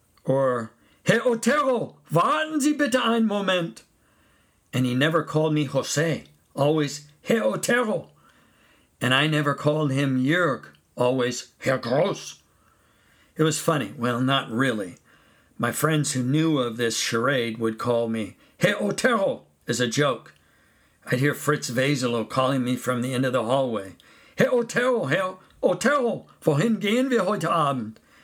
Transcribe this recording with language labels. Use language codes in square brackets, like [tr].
[de] Or, Herr Otero, warten Sie bitte einen Moment. [en] And he never called me Jose, always Herr Otero. And I never called him Jörg, always Herr Gross. It was funny. Well, not really. My friends who knew of this charade would call me Herr Otero as a joke. I'd hear Fritz Vaselo calling me from the end of the hallway. [de] Herr Otero, Herr Otero, wohin gehen wir heute Abend?